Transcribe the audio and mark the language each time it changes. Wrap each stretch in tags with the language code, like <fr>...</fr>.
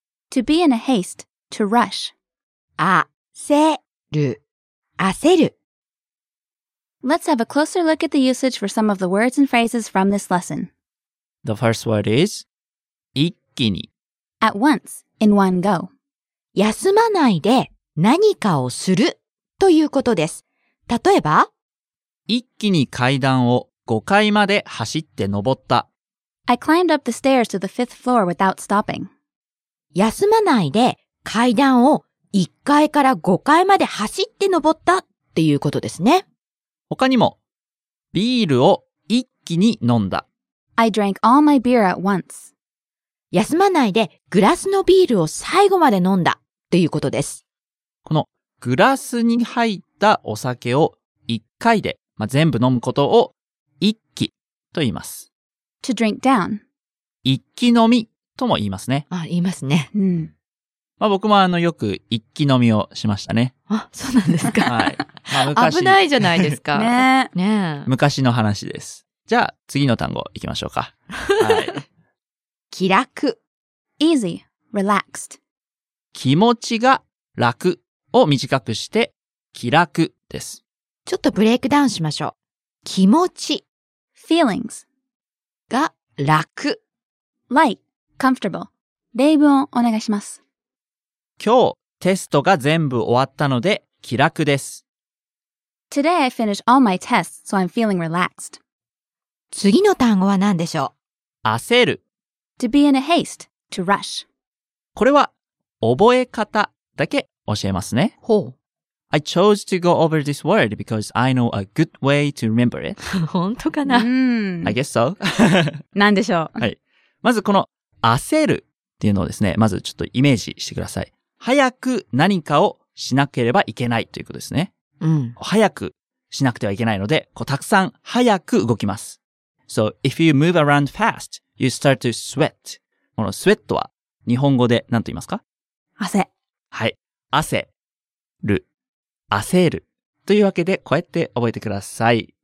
<en>To be in a haste, to rush</en> <ja>焦る焦る</ja> <en>Let's have a closer look at the usage for some of the words and phrases from this lesson. The first word is 一気に At once, in one go.</en> <ja>休まないで何かをするということです。例えば、一気に階段を5階まで走って登った。</ja> <en>I climbed up the stairs to the fifth floor without stopping.</en> <ja>休まないで階段を1階から5階まで走って登ったっていうことですね。他にも、ビールを一気に飲んだ。</ja> <en>I drank all my beer at once.</en> <ja>休まないでグラスのビールを最後まで飲んだということです。このグラスに入ったお酒を一回で、まあ、全部飲むことを一気と言います。</ja> <en>To drink down.</en> <ja>一気飲みとも言いますね。あ、言いますね。うん。まあ僕もよく一気飲みをしましたね。あ、そうなんですか。はい。まあ、昔。危ないじゃないですか。ねえ。ねえ。昔の話です。じゃあ次の単語行きましょうか。はい。気楽</ja> <en>easy, relaxed</en> <ja>気持ちが楽を短くして気楽ですちょっとブレイクダウンしましょう気持ち</ja> <en>feelings</en> <ja>が楽</ja> <en>light, comfortable</en> <ja>例文をお願いします今日テストが全部終わったので気楽です。</ja> <en>Today I finished all my tests, so I'm feeling relaxed.</en> <ja>次の単語は何でしょう？焦る。</ja> <en>To be in a haste, to rush.</en> <ja>これは覚え方だけ教えますね。ほう。</ja> <en>I chose to go over this word because I know a good way to remember it.</en> <ja>本当かな？</ja> <en>うん。I guess so.</en> <ja>何でしょう？はい。まずこの焦るっていうのをですね、まずちょっとイメージしてください。早く何かをしなければいけないということですね。うん。早くしなくてはいけないので、こうたくさん早く動きます。</ja> <en>So, if you move around fast, you start to sweat.</en> <ja>この sweat は日本語で何と言いますか？汗。はい。焦る。焦る。というわけで、こうやって覚えてください。</ja>